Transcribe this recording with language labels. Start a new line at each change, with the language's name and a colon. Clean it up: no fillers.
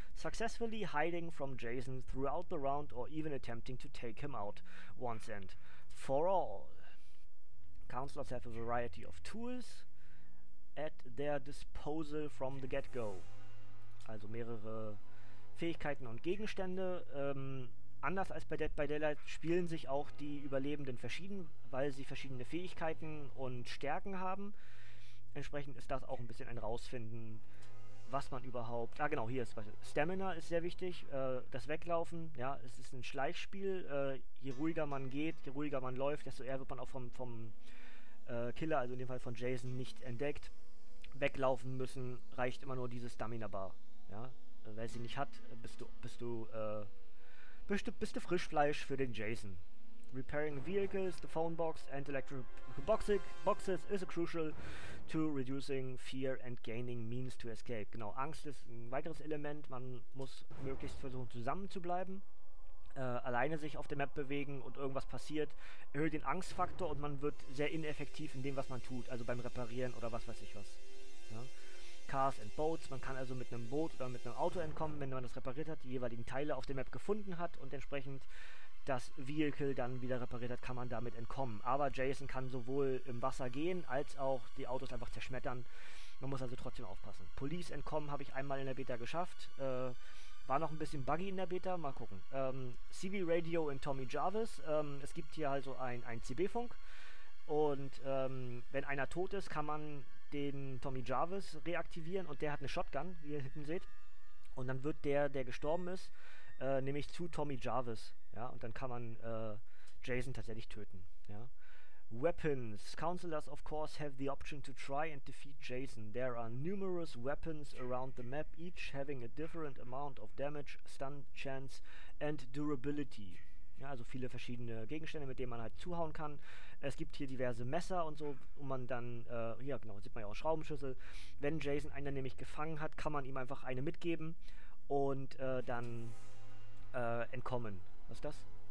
English: Successfully hiding from Jason throughout the round or even attempting to take him out once and for all. Counselors have a variety of tools at their disposal from the get-go.
German: Also mehrere Fähigkeiten und Gegenstände. Anders als bei Dead by Daylight spielen sich auch die Überlebenden verschieden, weil sie verschiedene Fähigkeiten und Stärken haben. Entsprechend ist das auch ein bisschen ein Rausfinden, was man überhaupt... Ah genau, hier ist Stamina ist sehr wichtig. Das Weglaufen, ja, es ist ein Schleichspiel. Je ruhiger man geht, je ruhiger man läuft, desto eher wird man auch vom Killer, also in dem Fall von Jason, nicht entdeckt. Weglaufen müssen, reicht immer nur diese Stamina-Bar. Ja, wer sie nicht hat, bist du Frischfleisch für den Jason.
English: Repairing vehicles, the phone box and electric boxes is a crucial to reducing fear and gaining means to escape.
German: Genau, Angst ist ein weiteres Element. Man muss möglichst versuchen, zusammen zu bleiben. Alleine sich auf der Map bewegen und irgendwas passiert, erhöht den Angstfaktor und man wird sehr ineffektiv in dem, was man tut. Also beim Reparieren oder was weiß ich was. Ja. Cars and Boats, man kann also mit einem Boot oder mit einem Auto entkommen, wenn man das repariert hat, die jeweiligen Teile auf der Map gefunden hat und entsprechend das Vehicle dann wieder repariert hat, kann man damit entkommen. Aber Jason kann sowohl im Wasser gehen, als auch die Autos einfach zerschmettern. Man muss also trotzdem aufpassen. Police entkommen habe ich einmal in der Beta geschafft. War noch ein bisschen buggy in der Beta, mal gucken. CB Radio in Tommy Jarvis, es gibt hier also ein CB-Funk und wenn einer tot ist, kann man den Tommy Jarvis reaktivieren und der hat eine Shotgun, wie ihr hinten seht. Und dann wird der gestorben ist, nämlich zu Tommy Jarvis. Ja, und dann kann man Jason tatsächlich töten. Ja. Weapons.
English: Counselors, of course, have the option to try and defeat Jason. There are numerous weapons around the map, each having a different amount of damage, stun chance and durability.
German: Ja, also viele verschiedene Gegenstände, mit denen man halt zuhauen kann. Es gibt hier diverse Messer und so, und man dann, hier genau, sieht man ja auch Schraubenschlüssel. Wenn Jason einen nämlich gefangen hat, kann man ihm einfach eine mitgeben und dann entkommen. Was ist das?